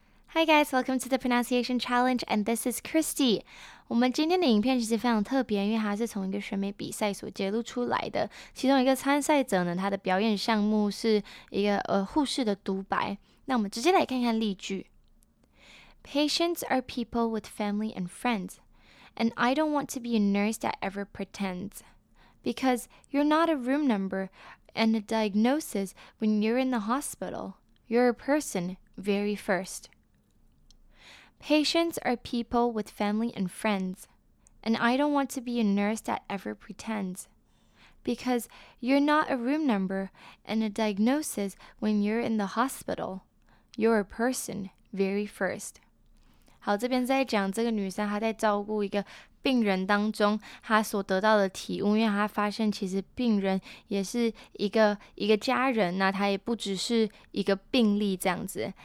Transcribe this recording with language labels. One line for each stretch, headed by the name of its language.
English: Hi guys, welcome to the pronunciation challenge, and this is Christy.
Chinese: 我们今天的影片其实非常特别，因为它是从一个选美比赛所揭露出来的。其中一个参赛者呢，他的表演项目是一个护士的独白。那我们直接来看看例句。
English: Patients are people with family and friends, and I don't want to be a nurse that ever pretends. Because you're not a room number and a diagnosis when you're in the hospital. You're a person, very first. Patients are people with family and friends, and I don't want to be a nurse that ever pretends. Because you're not a room number and a diagnosis when you're in the hospital. You're a person, very first.
Chinese: 好，这边在讲这个女生她在照顾一个病人当中她所得到的体悟，因为她发现其实病人也是一个家人，那她也不只是一个病例这样子。